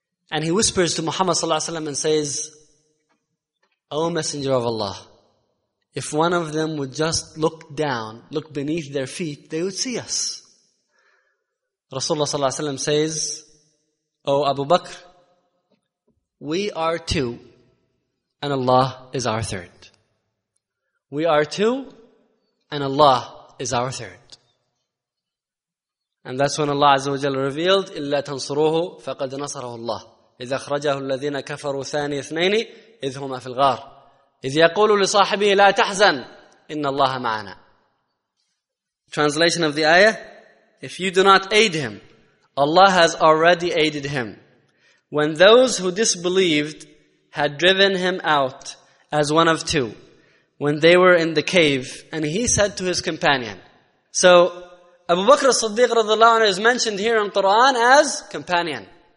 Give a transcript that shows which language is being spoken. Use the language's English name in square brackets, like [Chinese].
[English] And he whispers to Muhammad sallallahu alaihi wasallam and says, O Messenger of Allah, if one of them would just look down, look beneath their feet, they would see us. Rasulullah sallallahu alaihi wasallam says, O Abu Bakr, we are two, and Allah is our third. We are two, and Allah is our third. And that's when [Arabic] Allah Azza wa Jalla revealed, إِلَّا تَنْصُرُوهُ فَقَدْ نَصَرَهُ اللَّهِ إِذَا أَخْرَجَهُ الَّذِينَ كَفَرُوا ثَانِي اثْنَيْنِ إِذْ هُمَا فِي الْغَارِ إِذْ يَقُولُ لِصَاحِبِهِ لَا تَحْزَنْ إِنَّ اللَّهَ مَعَنَا. [English] Translation of the ayah, if you do not aid him, Allah has already aided him. When those who disbelieved had driven him out as one of two, when they were in the cave, and he said to his companion, so Abu Bakr as-Siddiq radiallahu anhu is mentioned here in Quran as companion.